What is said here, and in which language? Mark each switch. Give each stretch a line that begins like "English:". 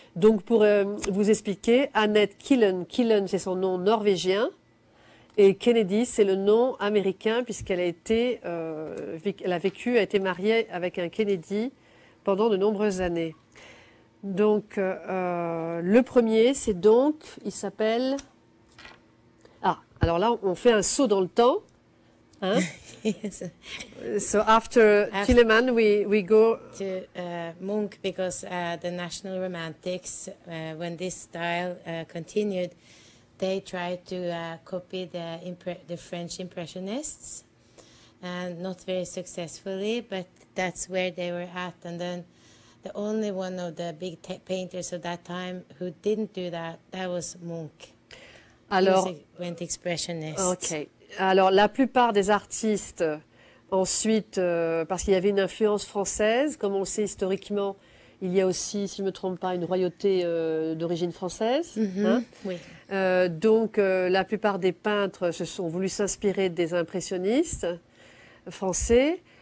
French: Donc pour vous expliquer, Annette Killen c'est son nom norvégien et Kennedy c'est le nom américain puisqu'elle a été, elle a été mariée avec un Kennedy pendant de nombreuses années. Donc le premier c'est donc, il s'appelle, ah alors là on fait un saut dans le temps. Huh?
English: So after Tiedemann, we go to Munch, because the National Romantics, when this style continued, they tried to copy the French Impressionists, and not very successfully, but that's where they were at. And then the only one of the big painters of that time who didn't do that was Munch.
French: Alors,
English: he went Expressionist. Okay.
French: Alors, la plupart des artistes, ensuite, parce qu'il y avait une influence française, comme on le sait historiquement, il y a aussi, si je ne me trompe pas, une royauté d'origine française. Mm-hmm. Hein? Oui. La plupart des peintres se sont voulu s'inspirer des impressionnistes. français.